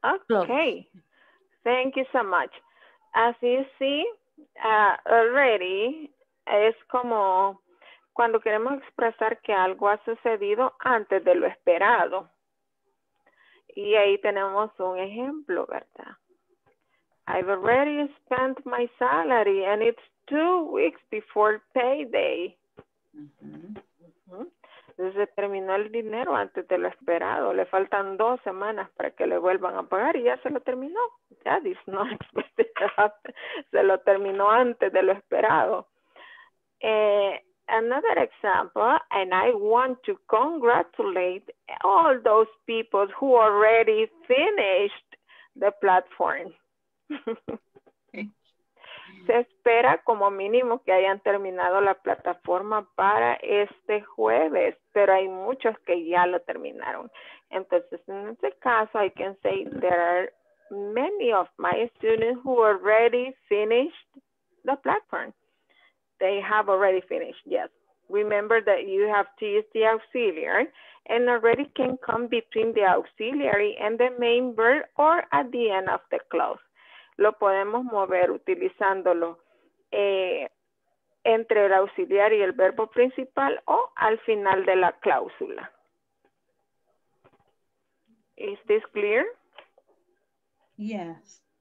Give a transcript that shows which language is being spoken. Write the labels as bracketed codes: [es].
[en] Okay, thank you so much. As you see, already [es] es como cuando queremos expresar que algo ha sucedido antes de lo esperado. Y ahí tenemos un ejemplo, ¿verdad? [en] I've already spent my salary and it's 2 weeks before payday. Mm-hmm. [es] Se terminó el dinero antes de lo esperado. Le faltan 2 semanas para que le vuelvan a pagar y ya se lo terminó. Ya [en] is not expected to happen. [es] Se lo terminó antes de lo esperado. [en] Another example, and I want to congratulate all those people who already finished the platform. [es] Se espera como mínimo que hayan terminado la plataforma para este jueves, pero hay muchos que ya lo terminaron. Entonces, en este caso, [en] I can say there are many of my students who already finished the platform. They have already finished, yes. Remember that you have to use the auxiliary and already can come between the auxiliary and the main verb or at the end of the clause. [es] Lo podemos mover utilizándolo entre el auxiliar y el verbo principal o al final de la cláusula. [en] Is this clear? Yes.